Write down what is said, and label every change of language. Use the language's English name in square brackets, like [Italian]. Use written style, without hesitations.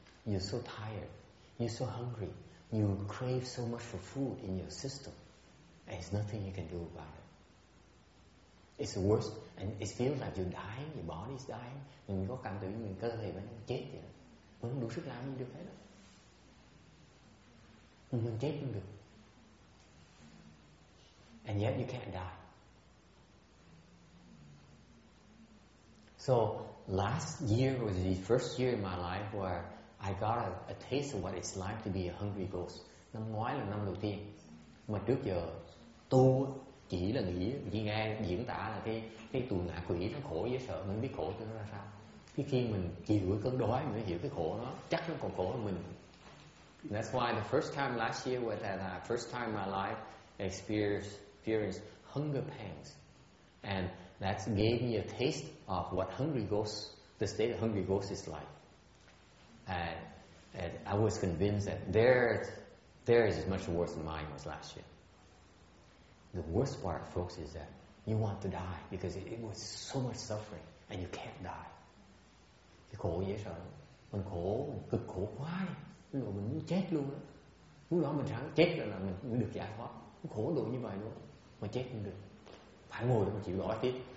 [English] You're so tired, you're so hungry, you crave so much for food in your system, and it's nothing you can do about it. It's worse, and it feels like you're dying, your body is dying. [Vietnamese] Mình có cảm thấy mình cơ thể mình chết vậy, mình không đủ sức làm gì được hết đó. Mình chết không được. [English] And yet you can't die. So last year was the first year in my life where I got a taste of what it's like to be a hungry ghost. [Vietnamese] Năm ngoái là năm đầu tiên. Mà trước giờ tu chỉ là nghĩ nghe diễn tả là cái tù ngạ quỷ nó khổ dễ sợ, mình biết khổ cho nó ra sao. Khi khi mình chịu cái cơn đói mình hiểu cái khổ nó chắc nó còn khổ hơn mình. [English] And that's why the first time last year was that first time in my life experienced hunger pangs, and that gave me a taste of what the state of hungry ghost is like. And I was convinced that there is much worse than mine was last year. The worst part, folks, is that you want to die because it was so much suffering and you can't die. [Vietnamese] Cái khổ dễ sợ, mình khổ, cực khổ quá đi. Lúc đó mình muốn chết luôn á. Lúc đó mình ráng chết là mình được giải thoát. Khổ độ như vậy luôn mà chết không được. Phải ngồi mà chịu đói tiếp.